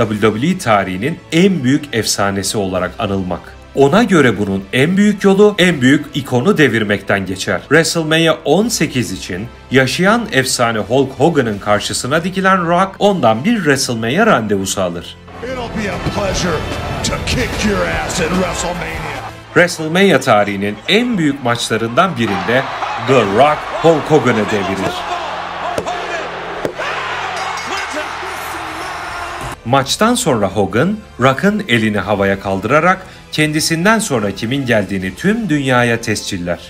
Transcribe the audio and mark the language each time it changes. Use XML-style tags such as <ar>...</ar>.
<tr>WWE tarihinin en büyük efsanesi olarak anılmak. Ona göre bunun en büyük yolu, en büyük ikonu devirmekten geçer. WrestleMania 18 için yaşayan efsane Hulk Hogan'ın karşısına dikilen Rock, ondan bir WrestleMania randevusu alır.</tr> <en>It'll be a pleasure to kick your ass in WrestleMania.</en> <tr>WrestleMania tarihinin en büyük maçlarından birinde The Rock Hulk Hogan'ı devirir. Maçtan sonra Hogan, Rock'ın elini havaya kaldırarak kendisinden sonra kimin geldiğini tüm dünyaya tescilliyor.</tr>